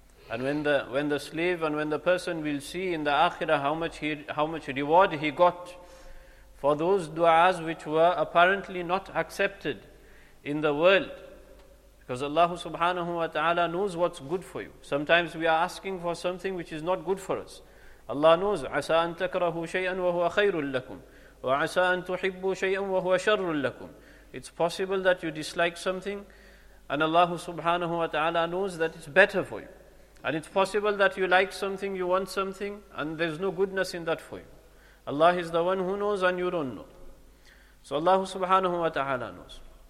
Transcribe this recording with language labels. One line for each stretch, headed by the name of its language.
English: And when the slave and when the person will see in the akhirah how much reward he got for those du'as which were apparently not accepted in the world, because Allah subhanahu wa ta'ala knows what's good for you. Sometimes we are asking for something which is not good for us. Allah knows,
Arabic: عَسَىٰ أَن تَكْرَهُ شَيْئًا وَهُوَ خَيْرٌ لَكُمْ وَعَسَىٰ أَن تُحِبُّ شَيْئًا وَهُوَ شَرٌ لَكُمْ.
English: It's possible that you dislike something and Allah subhanahu wa ta'ala knows that it's better for you. And it's possible that you like something, you want something, and there's no goodness in that for you. Allah is the one who knows and you don't know. So Allah subhanahu wa ta'ala knows.